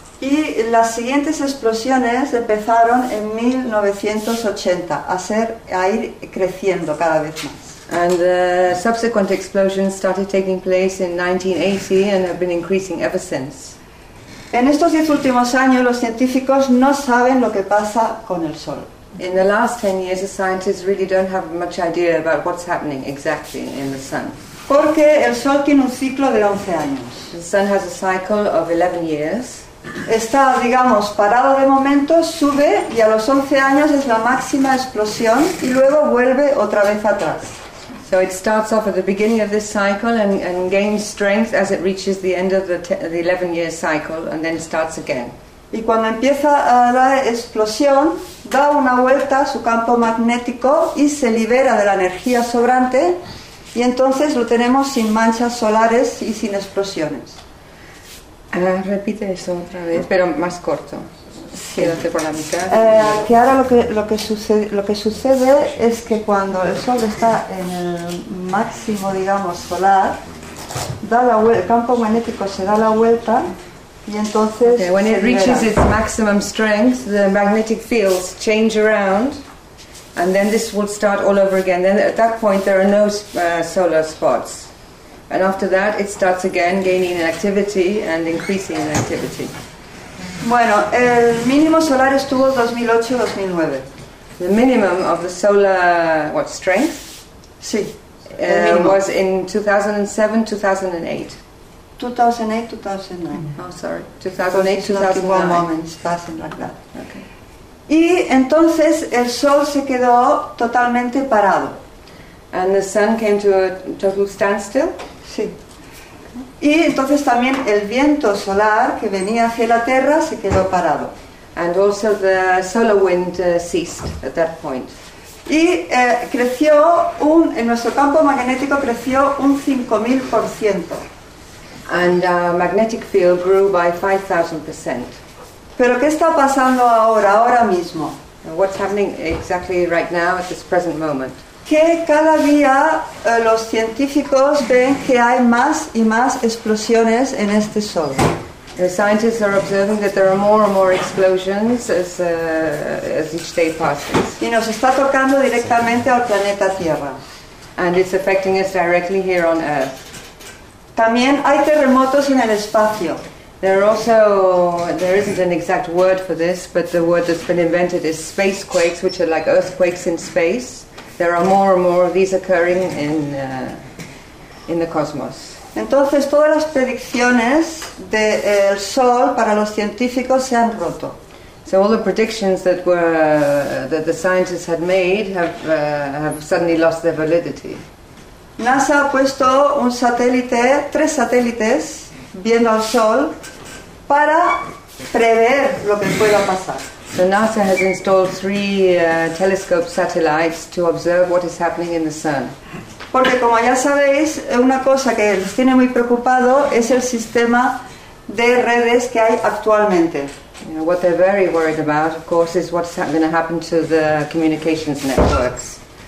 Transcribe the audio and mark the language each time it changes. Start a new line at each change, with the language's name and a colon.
Spanish: Y las siguientes explosiones empezaron en 1980, a ir creciendo cada vez más.
English: And the subsequent explosions started taking place in 1980 and have been increasing ever since.
Spanish: En estos 10 últimos años, los científicos no saben lo que pasa con el sol.
English: In the last 10 years, the scientists really don't have much idea about what's happening exactly in the sun.
Spanish: Porque el sol tiene un ciclo de 11 años.
English: The sun has a cycle of 11 years.
Spanish: Está, digamos, parado de momento, sube y a los 11 años es la máxima explosión y luego vuelve otra vez atrás.
English: So it starts off at the beginning of this cycle and gains strength as it reaches the end of the 11-year cycle and then starts again.
Spanish: Y cuando empieza la explosión, da una vuelta a su campo magnético y se libera de la energía sobrante y entonces lo tenemos sin manchas solares y sin explosiones. Repite eso otra vez, pero más corto. Sí. Quédate por la mitad. Que ahora lo que sucede es que cuando el sol está en el máximo, digamos, solar, el campo magnético se da la vuelta y entonces.
English: Okay, when it reaches its maximum strength, the magnetic fields change around, and then this will start all over again. Then at that point there are no solar spots. And after that, it starts again, gaining activity and increasing in activity.
Spanish: Bueno, el mínimo solar estuvo 2008-2009.
English: The minimum of the solar what strength?
Spanish: Sí.
English: Was in 2007-2008.
Spanish: 2008-2009. Okay. Y entonces el sol se quedó totalmente parado.
English: And the sun came to a total standstill?
Spanish: Sí. Y entonces también el viento solar que venía hacia la Tierra se quedó parado.
English: And also the solar wind ceased at that point.
Spanish: Y creció un, en nuestro campo magnético creció un 5000%.
English: And our magnetic field grew by 5000%.
Spanish: ¿Pero qué está pasando ahora, ahora mismo?
English: What's happening exactly right now at this present moment?
Spanish: Que cada día los científicos ven que hay más y más explosiones en este sol.
English: The scientists are observing that there are more and more explosions as each day passes.
Spanish: Y nos está tocando directamente al planeta Tierra.
English: And it's affecting us directly here on Earth.
Spanish: También hay terremotos en el espacio.
English: There isn't an exact word for this, but the word that's been invented is space quakes, which are like earthquakes in space. There are more and more of these occurring in the cosmos.
Spanish: Entonces todas las predicciones de el sol para los científicos se han roto.
English: So all the predictions that the scientists had made have suddenly lost their validity.
Spanish: NASA ha puesto un satélite, tres satélites viendo al sol para prever lo que pueda pasar.
English: So NASA has installed three telescope satellites to observe what is happening in the sun.
Spanish: Porque como ya sabéis, una cosa que nos tiene muy preocupado es el sistema de redes que hay actualmente.
English: You know, what they're very worried about, of course, is what's going to happen to the communications networks.